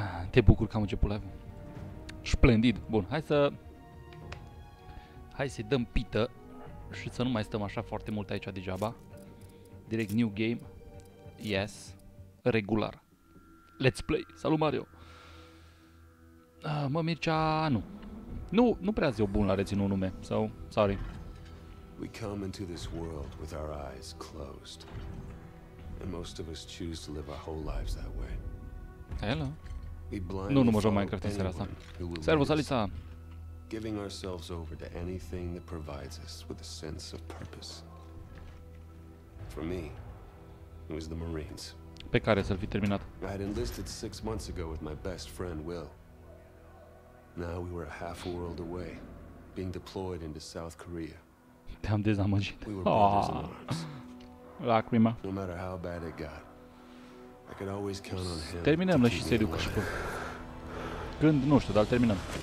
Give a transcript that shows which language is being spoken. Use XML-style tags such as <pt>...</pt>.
<ro>Te bucur că am început live. Splendid. Bun, hai să-i dăm pită și să nu mai stăm așa foarte mult aici degeaba.</ro> <en>Direct new game. Yes. Regular. Let's play.</en> <ro>Salut, Mario. Mă, Mircea, nu. Nu prea zi eu bun la reținut nume,</ro> <en>so, sorry. We come into this world with our eyes closed. And most of us choose to live our whole lives that way. Hello.</en> <ro>Nu mă joc Minecraft în seara asta. Servus, Alisa.</ro> <en>Giving ourselves over to anything that provides us with a sense of purpose. For me, it was the Marines.</en> <ro>Pe care să-l fi terminat?</ro> <en>I had enlisted 6 months ago with my best friend Will. Now we were a half a world away, being deployed into South Korea.</en> <ro>Te-am dezamăgit.</ro> <en>We were brothers in arms.</en> <ro>Lacrima.</ro> <en>No matter how bad it got, I could always count on him.</en> <ro>Terminăm-le și seriu ca și cum. Când, nu știu, dar terminăm.</ro>